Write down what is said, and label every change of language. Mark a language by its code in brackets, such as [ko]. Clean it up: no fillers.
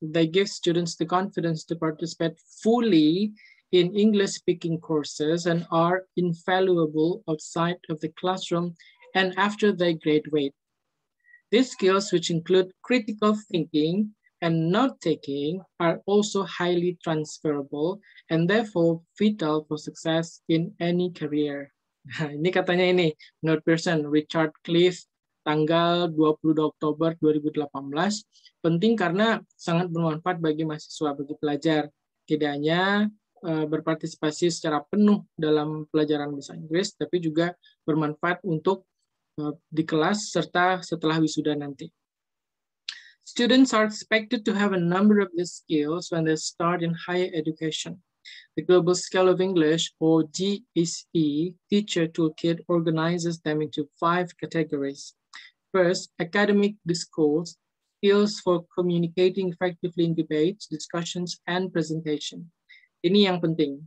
[en] They give students the confidence to participate fully in English speaking courses and are invaluable outside of the classroom and after they graduate. These skills, which include critical thinking and note-taking, are also highly transferable and therefore vital for success in any career. [id] Ini katanya ini, menurut Pearson, Richard Cliff, tanggal 22 Oktober 2018, penting karena sangat bermanfaat bagi mahasiswa, bagi pelajar. Tidak hanya berpartisipasi secara penuh dalam pelajaran bahasa Inggris, tapi juga bermanfaat untuk di kelas serta setelah wisuda nanti. [en] Students are expected to have a number of these skills when they start in higher education. The Global Scale of English, or GSE, Teacher Toolkit organizes them into 5 categories. First, academic discourse, skills for communicating effectively in debates, discussions, and presentation. [id] Ini yang penting.